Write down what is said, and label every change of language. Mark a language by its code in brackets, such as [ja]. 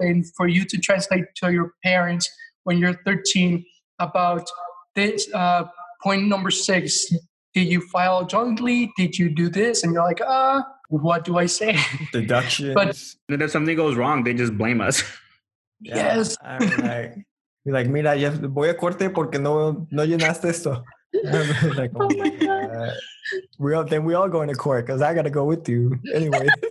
[en] And for you to translate to your parents when you're 13 about this, point number 6, did you file jointly? Did you do this? And you're like, what do I say? Deduction. But if something goes wrong, they just blame us. Yeah, yes. Right. Be like, [es] mira, ya voy a corte porque no llenaste esto. [en] Like, oh my God. We all go into court because I got to go with you anyway.